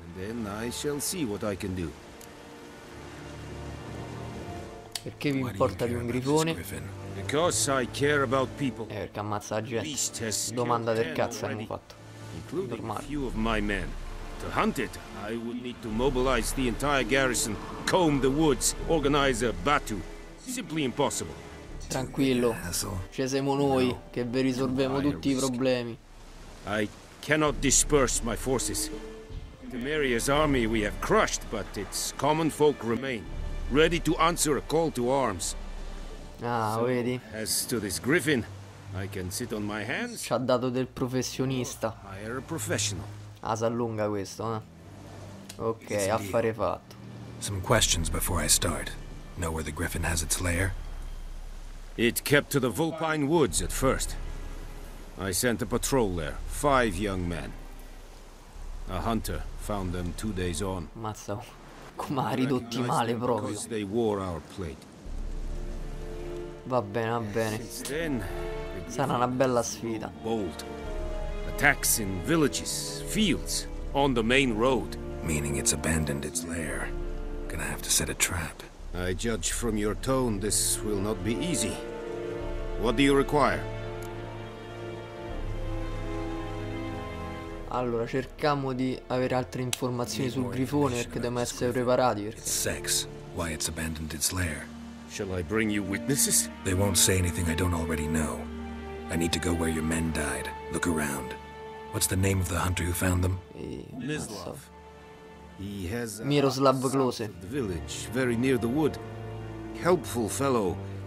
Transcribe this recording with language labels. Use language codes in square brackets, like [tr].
[en] And then I shall see what I can do. [it] Perché vi importa di un grifone? [en] Because I care about people. [it] Perché ammazza la gente. Domanda del cazzo hanno fatto. [en] Including a few of my men. To hunt it, I would need to mobilize the entire garrison, comb the woods, organize a battu. Simply impossible. [it] Tranquillo. Ci siamo noi che vi risolviamo tutti i problemi. [en] I cannot disperse my forces. Temeria's army we have crushed, but its common folk remain, ready to answer a call to arms. Ah, [it] so, vedi. [en] As to this griffin, I can sit on my hands. [it] Ci ha dato del professionista. [en] I am a professional. [it] Ah, si allunga questo, eh? Ok, affare fatto. [en] Some questions before I start. Know where the griffin has its lair? It kept to the Vulpine Woods at first. I sent a patrol there, 5 young men. A hunter found them 2 days on. [it] Mazza, come ha ridotti male proprio. [en] Because they wore our plate. [it] Va bene, va bene. Sarà una bella sfida. [en] Bold. Attacks in villages, fields, on the main road. Meaning it's abandoned its lair. Gonna have to set a trap. I judge from your tone this will not be easy. What do you require? [it] Allora, cerchiamo di avere altre informazioni sul grifone perché dobbiamo essere preparati. [en] It's sex. Why it's abandoned its lair. Shall I bring you witnesses? They won't say anything I don't already know. I need to go where your men died. Look around. What's the name of the hunter who found them? Mislav. He has a [it] Miroslav Klose. [en] The village, very near the wood. Helpful fellow.